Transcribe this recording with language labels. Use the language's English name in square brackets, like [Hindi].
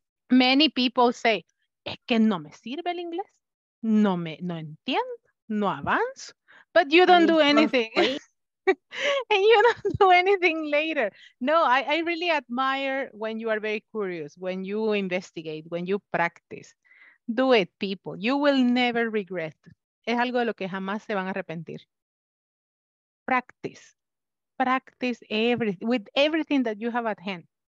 [English] Many people say, [Spanish] es que no me sirve el inglés. No entiendo. No avanzo. [English] But you don't do anything. And you don't do anything later. No, I really admire when you are very curious, when you investigate, when you practice. Do it, people. You will never regret. [Spanish] Es algo de lo que jamás se van a arrepentir. [English] Practice. Practice everything, with everything that you have at hand.